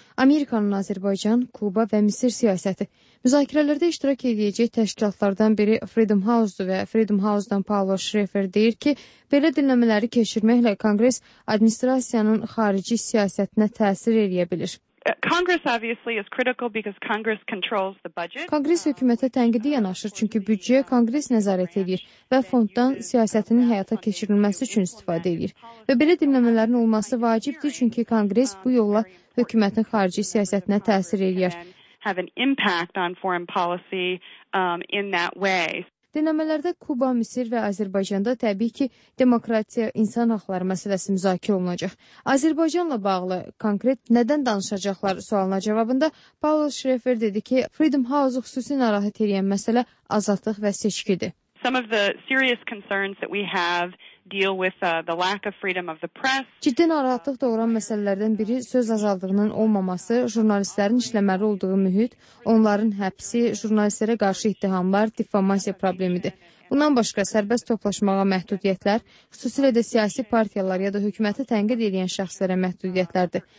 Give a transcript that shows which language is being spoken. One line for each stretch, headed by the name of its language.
Azerbaijani: Amerikanın Azərbaycan, Kuba və Misir siyasəti. Müzakirələrdə iştirak edəcək təşkilatlardan biri Freedom House-dur və Freedom House-dan Paulo Schreffer deyir ki, belə dinləmələri keçirməklə Kongres administrasiyanın xarici siyasətinə təsir edə bilər.
English: Congress obviously is critical because Congress controls the budget.
Azerbaijani: Kongres hökumətə tənqidi yanaşır, çünki büdcəyə Kongres nəzarət edir və fonddan siyasətinin həyata keçirilməsi üçün istifadə edir. Və belə dinləmələrin olması vacibdir, çünki Kongres bu yolla hökumətin xarici siyasətinə təsir edir.
English: Have an impact on foreign policy in that way.
Azerbaijani: Dinləmələrdə Kuba, Misir və Azərbaycanda təbii ki, demokratiya, insan haqları məsələsi müzakirə olunacaq. Azərbaycanla bağlı konkret nədən danışacaqlar sualına cavabında Paulo Schreffer dedi ki, Freedom House xüsusi narahat edən məsələ azadlıq və seçkidir.
English: Some of the serious concerns that we have deal with the lack of freedom of the press.
Azerbaijani: Ciddi narahatlıq doğuran məsələlərdən biri söz azadlığının olmaması, jurnalistlərin işləməli olduğu mühit, onların həbsi, jurnalistlərə qarşı ittihamlar, diffamasiya problemidir. Bundan başqa sərbəst toplaşmağa məhdudiyyətlər, xüsusilə də siyasi partiyalar ya da hökuməti tənqid edən şəxslərə məhdudiyyətlərdir.